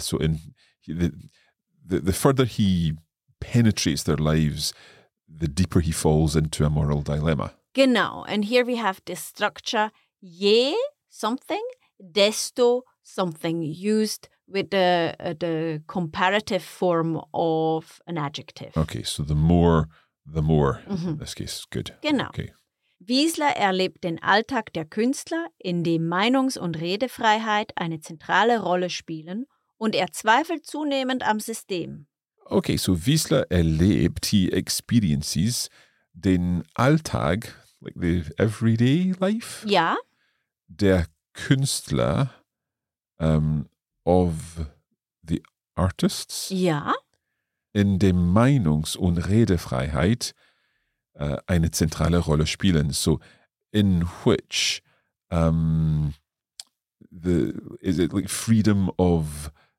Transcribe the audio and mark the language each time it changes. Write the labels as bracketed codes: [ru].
[en] So in the further he penetrates their lives, the deeper he falls into a moral dilemma. [de] Genau. [en] And here we have this structure, je something, desto something, used with the comparative form of an adjective. Okay, so the more in this case. Good. [de] Genau. [en] Okay. [de] Wiesler erlebt den Alltag der Künstler, in dem Meinungs- und Redefreiheit eine zentrale Rolle spielen, und er zweifelt zunehmend am System. [en] Okay, so [de] Wiesler erlebt, [en] he experiences [de] den Alltag, [en] like the everyday life? [de] Ja. Der Künstler, [en] of the artists? [de] Ja. In dem Meinungs- und Redefreiheit eine zentrale Rolle spielen. [en] So, in which is it like freedom of